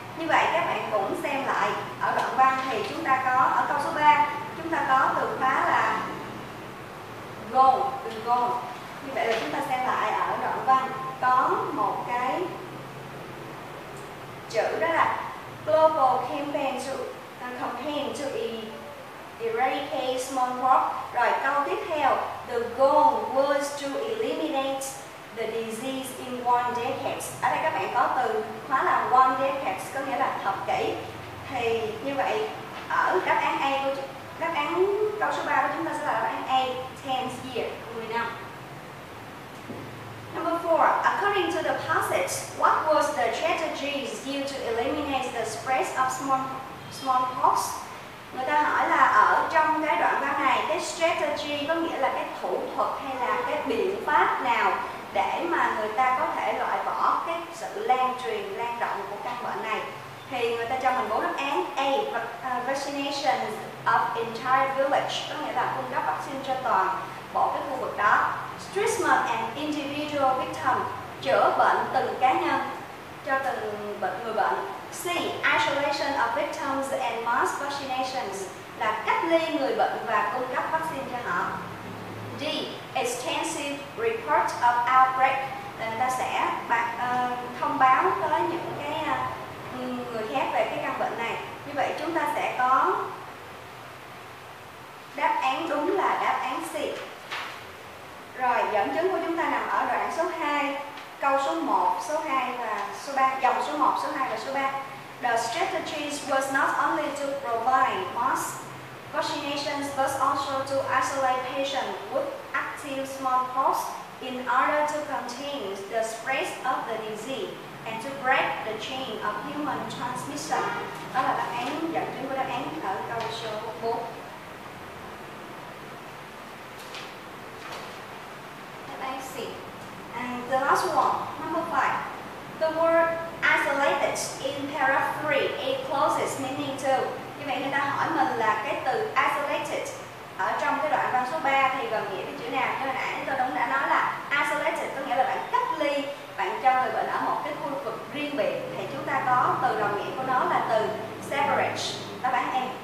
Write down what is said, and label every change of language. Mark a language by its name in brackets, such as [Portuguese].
[Vietnamese] Như vậy các bạn cũng xem lại ở đoạn văn thì chúng ta có ở câu số 3, chúng ta có từ khóa là goal. Như vậy là chúng ta xem lại ở đoạn văn có một cái chữ đó là [English] global campaign to eradicate smallpox. [Vietnamese] Rồi câu tiếp theo, [English] the goal was to eliminate the disease in one decade. [Vietnamese] Ở đây các bạn có từ khóa là one decade, có nghĩa là thập kỷ. Thì như vậy ở đáp án A của đáp án câu số 3 của chúng ta sẽ là đáp án A, 10 year, 10 năm. [English] Number 4. According to the passage, what was the strategies used to eliminate the spread of smallpox? [Vietnamese] Người ta hỏi là ở trong cái đoạn văn này, cái strategy có nghĩa là cái thủ thuật hay là cái biện pháp nào để mà người ta có thể loại bỏ cái sự lan truyền, lan rộng của căn bệnh này. Thì người ta cho mình bốn đáp án. A, [English] vaccination of entire village, [Vietnamese] có nghĩa là cung cấp vaccine cho toàn bộ cái khu vực đó. [English] Treatment and individual victim, [Vietnamese] chữa bệnh từng cá nhân cho từng bệnh người bệnh. C, [English] isolation of victims and mass vaccinations, [Vietnamese] là cách ly người bệnh và cung cấp vaccine cho họ. D, [English] extensive report of outbreak, [Vietnamese] là người ta sẽ thông báo tới những cái người khác về cái căn bệnh này. Như vậy chúng ta sẽ có đáp án đúng là đáp án C. Rồi, dẫn chứng của chúng ta nằm ở đoạn số 2, câu số 1, số 2 và số 3, dòng số 1, số 2 và số 3. [English] The strategy was not only to provide mass vaccinations, but also to isolate patients with active smallpox in order to contain the spread of the disease and to break the chain of human transmission. [Vietnamese] Đó là đáp án, dẫn chứng của đáp án ở câu số 4. [English] And the last one, number 5. The word isolated in paragraph 3, it closes meaning to. [Vietnamese] Như vậy người ta hỏi mình là cái từ isolated ở trong cái đoạn văn số 3 thì gồm nghĩa cái chữ nào. Như hồi nãy tôi đã nói là isolated có nghĩa là bạn cách ly, bạn cho người bệnh ở một cái khu vực riêng biệt. Thì chúng ta có từ đồng nghĩa của nó là từ separate, đáp án A.